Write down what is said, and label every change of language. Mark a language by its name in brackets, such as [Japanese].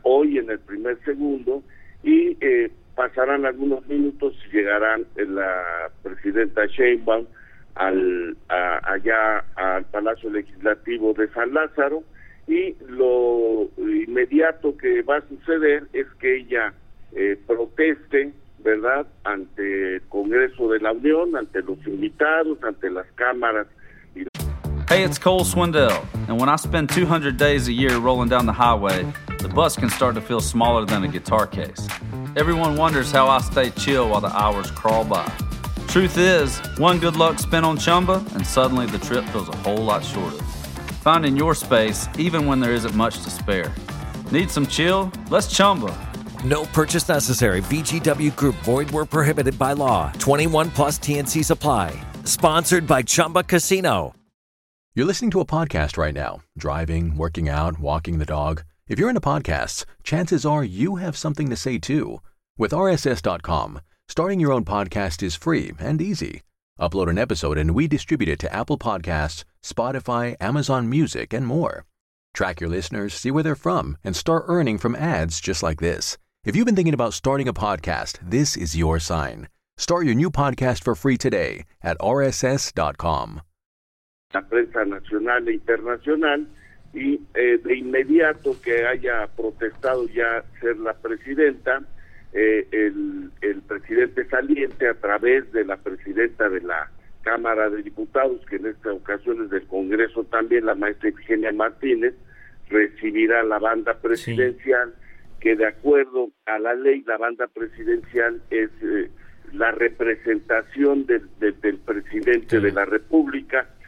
[Spanish] Hoy en el primer segundo, y pasarán algunos minutos y llegarán la presidenta Sheinbaum allá al Palacio Legislativo de San Lázaro, y lo inmediato que va a suceder es que ella proteste, ¿verdad?, ante el Congreso de la Unión, ante los invitados, ante las cámaras. [English] Hey, it's Cole Swindell, and when I spend 200 days a year rolling down the highway, the bus can start to feel smaller than a guitar case. Everyone wonders how I stay chill while the hours crawl by. Truth is, one good luck spent on Chumba, and suddenly the trip feels a whole lot shorter. Finding your space, even when there isn't much to spare. Need some chill? Let's Chumba. No purchase necessary. VGW Group. Void where prohibited by law. 21 plus T&Cs apply. Sponsored by Chumba Casino. You're listening to a podcast right now. Driving, working out, walking the dog. If you're into podcasts, chances are you have something to say too. With RSS.com, starting your own podcast is free and easy. Upload an episode and we distribute it to Apple Podcasts, Spotify, Amazon Music, and more. Track your listeners, see where they're from, and start earning from ads just like this. If you've been thinking about starting a podcast, this is your sign. Start your new podcast for free today at RSS.com. [Spanish] La prensa nacional e internacional, y de inmediato que haya protestado ya ser la presidenta, el presidente saliente, a través de la presidenta de la Cámara de Diputados, que en esta ocasión es del Congreso también, la maestra Ifigenia Martínez, recibirá la banda presidencial, que de acuerdo a la ley, la banda presidencial es la representación del presidente de la República.